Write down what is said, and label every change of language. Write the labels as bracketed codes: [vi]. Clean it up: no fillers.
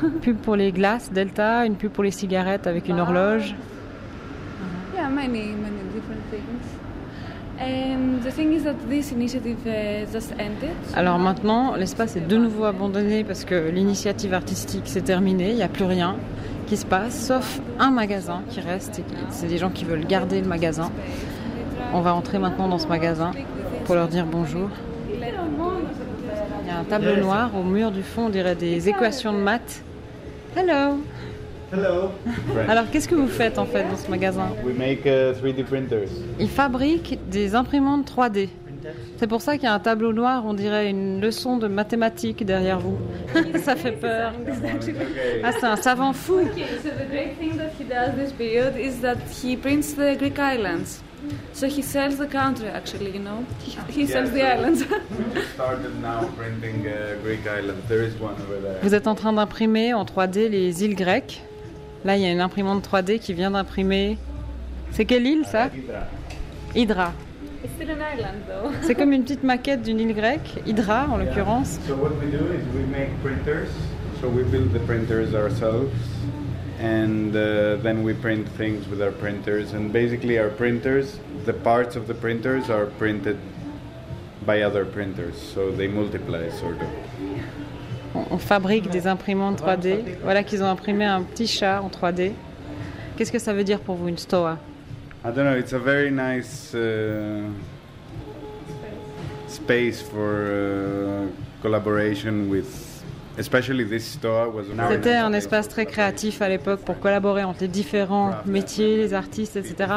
[fr] Pub pour les glaces Delta, une pub pour les cigarettes avec une horloge. [en] Yeah, many different things. And the thing is that this initiative just ended. [fr] Alors maintenant, l'espace est de nouveau abandonné parce que l'initiative artistique s'est terminée, il n'y a plus rien qui se passe, sauf un magasin qui reste, et c'est des gens qui veulent garder le magasin. On va entrer maintenant dans ce magasin pour leur dire bonjour. Il y a un tableau noir au mur du fond, on dirait des équations de maths. [en] Hello. Hello. [fr] Alors, qu'est-ce que vous faites en fait dans ce magasin ? [en] We make 3D printers. [fr] Ils fabriquent des imprimantes 3D. C'est pour ça qu'il y a un tableau noir, on dirait une leçon de mathématiques derrière vous. Ça fait peur. Ah, c'est un savant fou. [en] Okay, so the great thing that he does this period is that he prints the Greek islands. So he sells the country actually, you know. He sells the islands. We started now printing Greek islands. There is one over there. [fr] Vous êtes en train d'imprimer en 3D les îles grecques. Là, il y a une imprimante 3D qui vient d'imprimer. C'est quelle île ça ? Hydra. Hydra. [en] It's still an island, though. [fr] C'est comme une petite maquette d'une île grecque, Hydra en l'occurrence. [en] So what we do is we make printers. So we build the printers ourselves, and then we print things with our printers. And basically, our printers, the parts of the printers are printed by other printers, so they multiply, sort of. [fr] On fabrique des imprimantes 3D. Voilà qu'ils ont imprimé un petit chat en 3D. Qu'est-ce que ça veut dire pour vous, une stoa? [en] I don't know, it's a very nice space for collaboration with, especially this stoa was [fr] a C'était un espace très créatif à l'époque pour collaborer entre les différents métiers, les artistes, etc.